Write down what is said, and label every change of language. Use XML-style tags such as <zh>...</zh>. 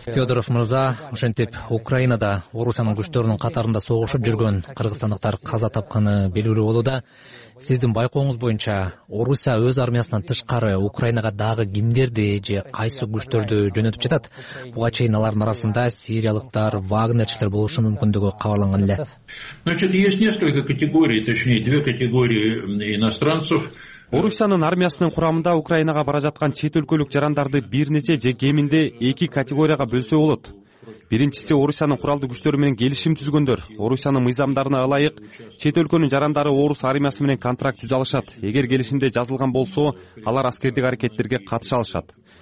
<ky>Федоров мырза, ошентип Украинада Орусиянын күчтөрүнүн катарында согушуп жүргөн кыргызстандыктар каза тапканы белгилүү болууда. Сиздин байкооңуз боюнча Орусия өз армиясынан тышкары Украинага дагы кимдерди же кайсы күчтөрдү жөнөтүп жатат? Буга чейин алардын арасында сириялыктар, вагнерчилер болушу мүмкүндүгү кабарланган эле.</ky> <ru>Значит, есть несколько категорий, точнее, две категории иностранцев.</ru> <ky>Орусиянын армиясынын курамында Украинага бара жаткан чет өлкөлүк жарандарды бир нече же кеминде эки категорияга бөлсө болот. Биринчиси Орусиянын куралдуу күчтөрү менен келишим түзгөндөр. Орусиянын мыйзамдарына ылайык чет өлкөнүн жарандары Орус армиясы менен контракт түзө алышат. Эгер келишимде жазылган болсо, алар аскердик аракеттерге катыша алышат.</ky>